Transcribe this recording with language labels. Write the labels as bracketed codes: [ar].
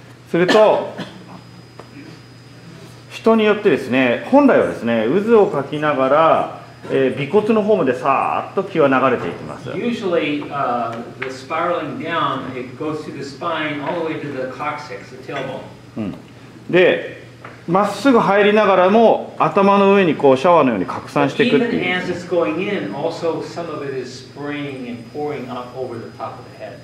[ja] すると人によってですね、本来はですね、渦をかきながら、尾骨の方までさーっと気は流れていきます。 [en] Usually, the spiraling down, it goes through the spine all the way to the coccyx, the tailbone. [ja] うん。で、まっすぐ入りながらも頭の上にこうシャワーのように拡散していくっていう。 [en] Even as it's going in, also some of it is spraying and pouring up over the top of the head.